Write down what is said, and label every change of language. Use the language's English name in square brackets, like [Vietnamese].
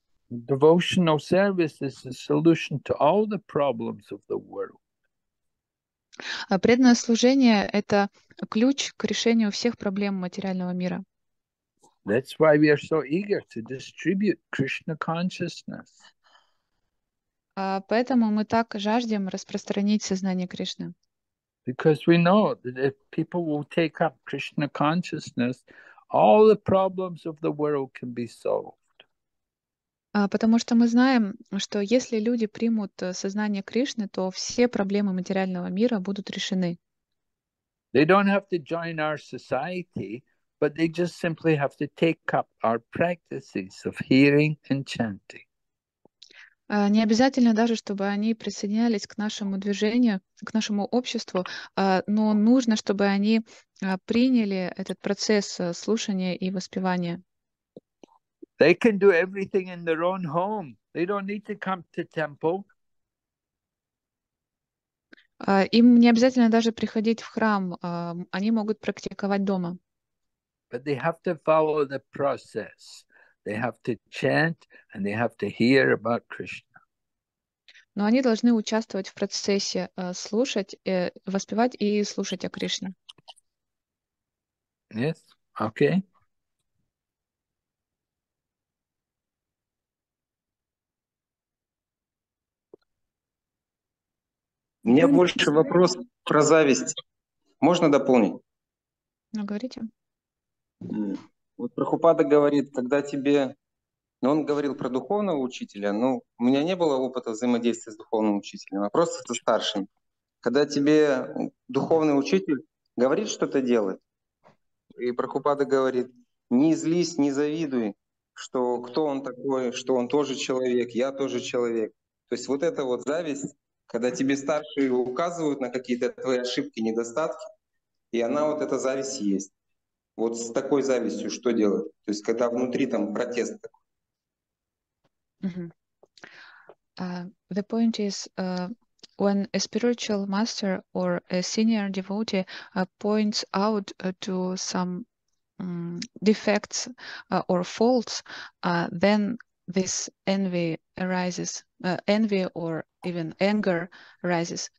[English] Devotional service is the solution to all the problems of the world. [Russian] Преданное служение — это ключ к решению всех проблем материального мира. [English] That's why we are so eager to distribute Krishna consciousness. [Russian] Поэтому мы так жаждем распространить сознание Кришны. [English] Because we know that if people will take up Krishna consciousness, all the problems of the world can be solved. [Russian] Потому что мы знаем, что если люди примут сознание Кришны, то все проблемы материального мира будут решены. [English] They don't have to join our society. But they just simply have to take up our practices of hearing and chanting. [Russian] Не обязательно даже, чтобы они присоединялись к нашему движению, к нашему обществу, но нужно, чтобы они приняли этот процесс слушания и воспевания. [English] They can do everything in their own home. They don't need to come to temple. [Russian] Им не обязательно даже приходить в храм. Они могут практиковать дома. [English] But they have to follow the process. They have to chant and they have to hear about Krishna. [Russian] Но они должны участвовать в процессе, слушать, воспевать и слушать о Кришне. [English] Yes, okay. [Russian] У меня больше вопрос про зависть. Можно дополнить? Ну, говорите. Вот Прабхупада говорит, когда тебе... Ну, он говорил про духовного учителя, но у меня не было опыта взаимодействия с духовным учителем, а просто со старшим. Когда тебе духовный учитель говорит что-то делать, и Прабхупада говорит, не злись, не завидуй, что кто он такой, что он тоже человек, я тоже человек. То есть вот эта вот зависть, когда тебе старшие указывают на какие-то твои ошибки, недостатки, и она вот эта зависть есть. Вот с такой завистью что делать? То есть когда внутри там протест такой. [English] The point is, when a spiritual master or a senior devotee points out to some defects or faults, then this envy arises, envy or even anger arises.